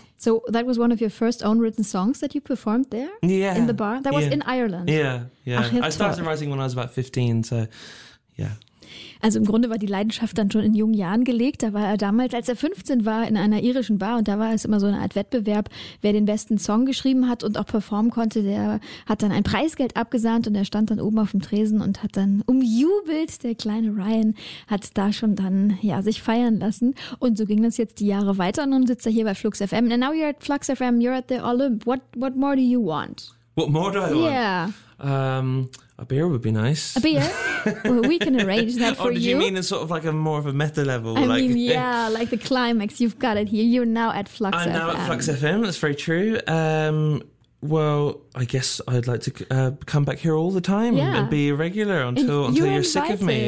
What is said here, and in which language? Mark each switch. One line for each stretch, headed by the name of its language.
English: So that was one of your first own written songs that you performed there? Yeah. In the bar? That was in Ireland? Yeah, yeah. I started writing when I was about 15, so yeah.
German: Also im Grunde war die Leidenschaft dann schon in jungen Jahren gelegt. Da war er damals, als er 15 war, in einer irischen Bar, und da war es immer so eine Art Wettbewerb, wer den besten Song geschrieben hat und auch performen konnte, der hat dann ein Preisgeld abgesahnt, und er stand dann oben auf dem Tresen und hat dann umjubelt, der kleine Ryan hat da schon dann ja sich feiern lassen. Und so ging das jetzt die Jahre weiter, und nun sitzt er hier bei Flux FM.
English: And now you're at Flux FM, you're at the Olymp. What more do you want? What more do I want? Yeah. A beer would be nice. A beer? Well, we can arrange that for you. Oh, did you mean in sort of like a more of a meta level? I mean, yeah, like the climax. You've got it here. You're now at Flux FM. I'm now at Flux FM. That's very true. Well, I guess I'd like to come back here all the time and be a regular until you're sick of me.